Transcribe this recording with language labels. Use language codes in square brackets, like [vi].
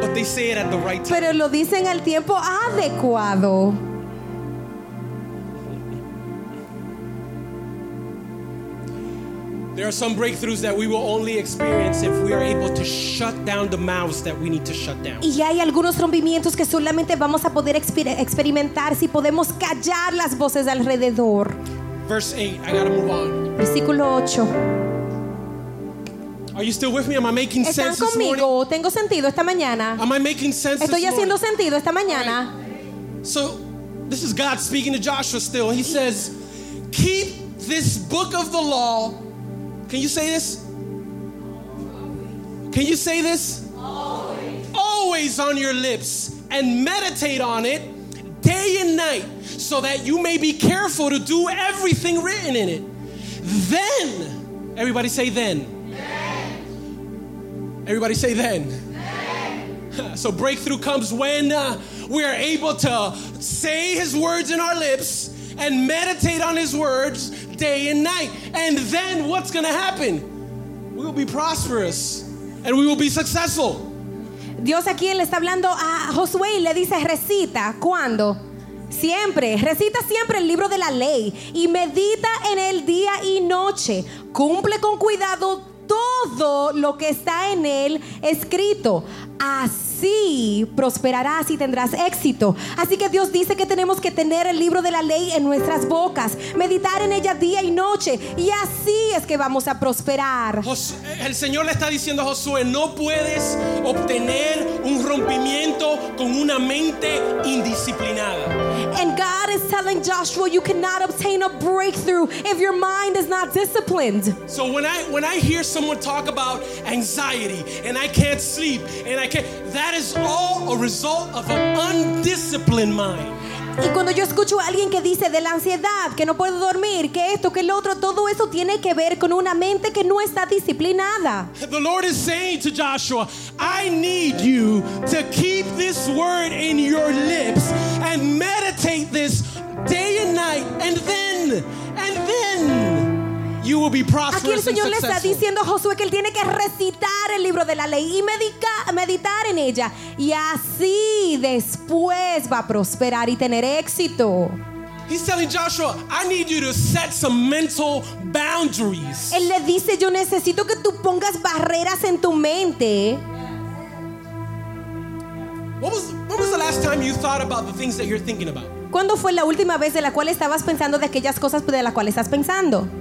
[en] but they say it at the right time, [es] pero lo dicen al tiempo adecuado. [en] There are some breakthroughs that we will only experience if we are able to shut down the mouths that we need to shut down. [es] Y hay algunos rompimientos que solamente vamos a poder experimentar si podemos callar las voces alrededor. [en] Verse 8, I gotta move on. [es] Versículo 8. [en] Are you still with me? Am I making sense [es] conmigo? [en] This morning? [es] ¿Están conmigo? ¿Tengo sentido esta mañana? [en] Am I making sense? [es] Estoy [en] this [es] haciendo [en] morning? [es] Sentido esta mañana. [en] Right. So, this is God speaking to Joshua still. He says, "Keep this book of the law." Can you say this? Always. Can you say this? Always. Always on your lips and meditate on it day and night so that you may be careful to do everything written in it. Then, everybody say then. Then. Everybody say then. Then. So breakthrough comes when we are able to say his words in our lips and meditate on his words day and night. And then what's going to happen? We will be prosperous and we will be successful. [es] Dios aquí le está hablando a Josué y le dice, recita, ¿cuándo? Siempre, recita siempre el libro de la ley y medita en él día y noche. Cumple con cuidado todo lo que está en él escrito. Así prosperarás y tendrás éxito. Así que Dios dice que tenemos que tener el libro de la ley en nuestras bocas, meditar en ella día y noche, y así es que vamos a prosperar. El Señor le está diciendo a Josué, no puedes obtener un rompimiento con una mente indisciplinada. [en] And God is telling Joshua, you cannot obtain a breakthrough if your mind is not disciplined. So when I hear someone talk about anxiety and I can't sleep and I can't, that is all a result of an undisciplined mind. [es] Y cuando yo escucho a alguien que dice de la ansiedad, que no puedo dormir, que esto, que el otro, todo eso tiene que ver con una mente que no está disciplinada. [en] The Lord is saying to Joshua, I need you to keep this word in your lips and meditate this day and night, and then you will be prosperous and successful. [es] Aquí el Señor le está diciendo a Josué que él tiene que recitar el libro de la ley y meditar en ella, y así después va a prosperar y tener éxito. [en] He's telling Joshua, I need you to set some mental boundaries. [es] Él le dice, yo necesito que tú pongas barreras en tu mente. [en] What was the last time you thought about the things that you're thinking about? [es] ¿Cuándo fue la última vez de la cual estabas pensando de aquellas cosas de las cuales estás pensando?